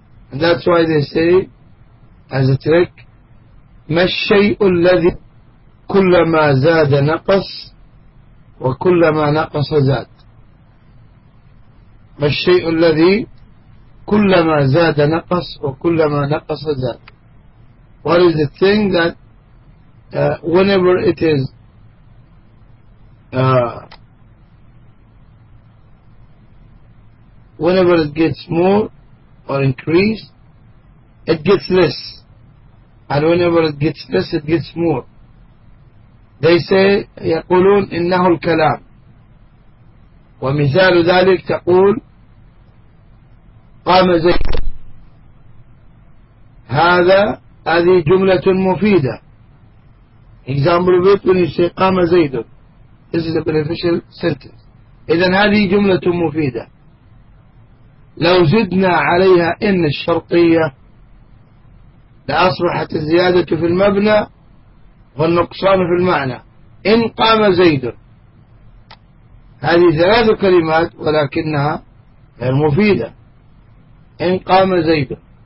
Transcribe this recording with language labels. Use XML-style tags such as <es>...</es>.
<en>And that's why they say as a trick</en> <ar>ما الشيء الذي كلما زاد نقص وكلما نقص زاد، ما الشيء الذي كلما زاد نقص وكلما نقص زاد.</ar> <en>What is the thing that whenever it is whenever it gets more or increased it gets less, and whenever it gets less it gets more. They say</en> <ar>يقولون إنه الكلام، ومثال ذلك تقول قام زيد. هذه جملة مفيدة.</ar> <en>Example of it when you say</en> <ar>قام زيد.</ar> <en>This is a beneficial sentence.</en> <ar>إذن هذه جملة مفيدة. لو زدنا عليها إن الشرطية لأصبحت الزيادة في المبنى والنقصان في المعنى. إن قام زيد. هذه ثلاث كلمات ولكنها غير مفيدة. إن قام زيد.</ar>